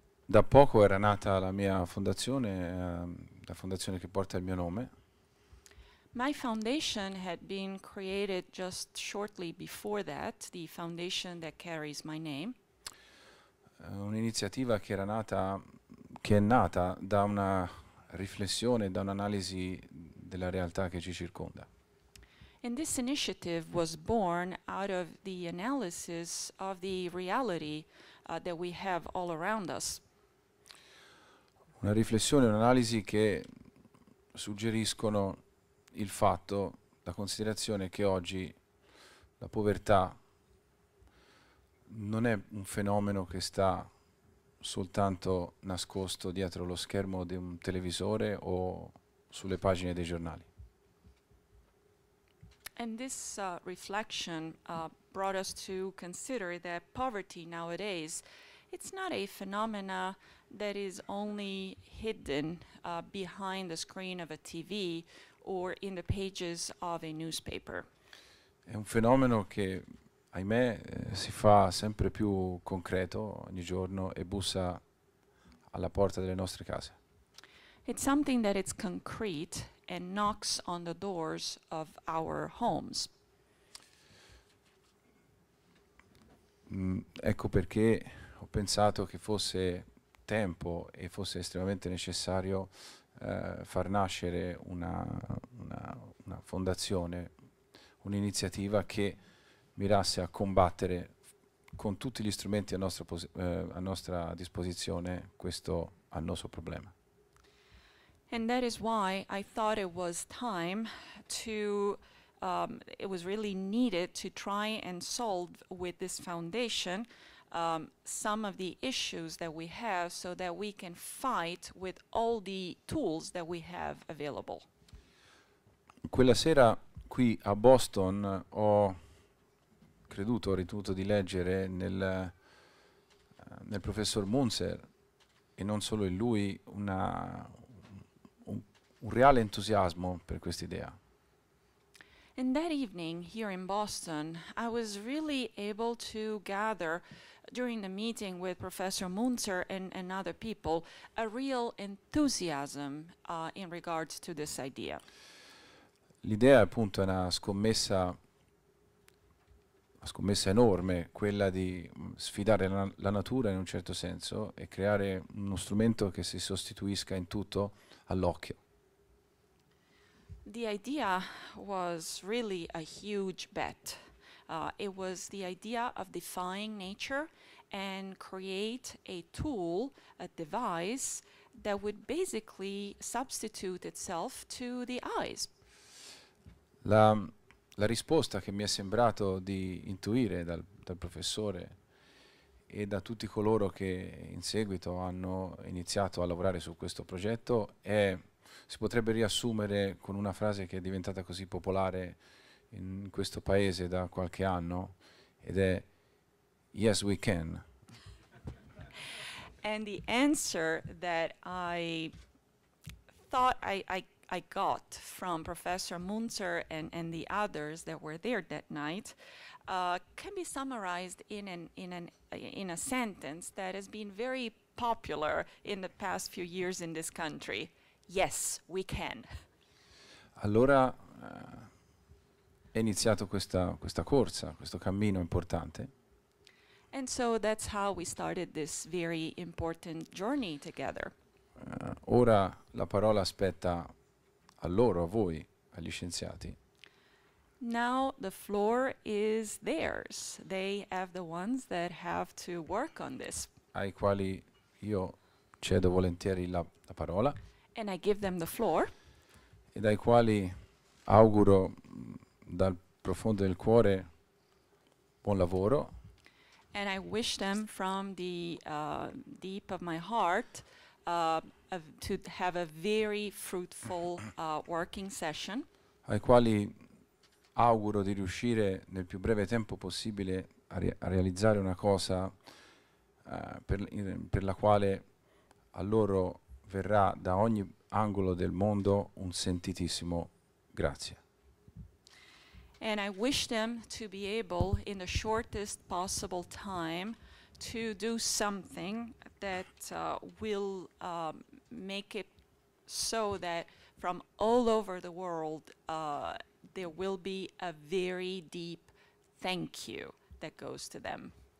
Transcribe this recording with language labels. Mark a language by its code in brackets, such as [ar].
[it] Da poco era nata la mia fondazione, la fondazione che porta il mio nome. [en] My foundation had been created just shortly before that, the foundation that carries my name. [it] Un'iniziativa che era nata, che è nata da una riflessione, da un'analisi della realtà che ci circonda. [en] And this initiative was born out of the analysis of the reality that we have all around us. [it] Una riflessione, un'analisi che suggeriscono il fatto, la considerazione che oggi la povertà non è un fenomeno che sta soltanto nascosto dietro lo schermo di un televisore o sulle pagine dei giornali. [en] And this reflection brought us to consider that poverty nowadays, it's not a phenomena that is only hidden behind the screen of a TV or in the pages of a newspaper. [it] È un fenomeno che, ahimè, si fa sempre più concreto ogni giorno e bussa alla porta delle nostre case. [en] It's something that it's concrete and knocks on the doors of our homes. [it] Ecco perché ho pensato che fosse tempo e fosse estremamente necessario far nascere una fondazione, un'iniziativa che mirasse a combattere con tutti gli strumenti a nostra disposizione questo annoso problema. [en] And that is why I thought it was time to, it was really needed to try and solve with this foundation some of the issues that we have so that we can fight with all the tools that we have available. [it] Quella sera qui a Boston ho creduto, ho ritenuto di leggere nel professor Munzer e non solo in lui un reale entusiasmo per questa idea. [en] And that evening here in Boston, I was really able to gather during the meeting with Professor Munzer and other people a real enthusiasm in regards to this idea. [it] L'idea è appunto una scommessa, enorme, quella di sfidare la natura in un certo senso e creare uno strumento che si sostituisca in tutto all'occhio. [en] The idea was really a huge bet. It was the idea of defying nature and create a tool, a device, that would basically substitute itself to the eyes. [it] La risposta che mi è sembrato di intuire dal professore e da tutti coloro che in seguito hanno iniziato a lavorare su questo progetto è si potrebbe riassumere con una frase che è diventata così popolare in questo paese da qualche anno, ed è [en] "Yes, we can." And the answer that I thought I got from Professor Munzer and the others that were there that night can be summarized in a sentence that has been very popular in the past few years in this country. Yes, we can. [it] Allora è iniziato questa corsa, questo cammino importante. [en] And so that's how we started this very important journey together. [it] Ora la parola aspetta a loro, a voi, agli scienziati. [en] Now the floor is theirs. They have the ones that have to work on this. [it] Ai quali io cedo volentieri la parola. [en] And I give them the floor. [it] E dai quali auguro dal profondo del cuore buon lavoro. [en] And I wish them from the deep of my heart to have a very fruitful working session. [it] Ai quali auguro di riuscire nel più breve tempo possibile a realizzare una cosa per la quale a loro verrà da ogni angolo del mondo un sentitissimo grazie. [en] And I wish them to be able, in the shortest possible time, to do something that will make it so that from all over the world there will be a very deep thank you that goes to them.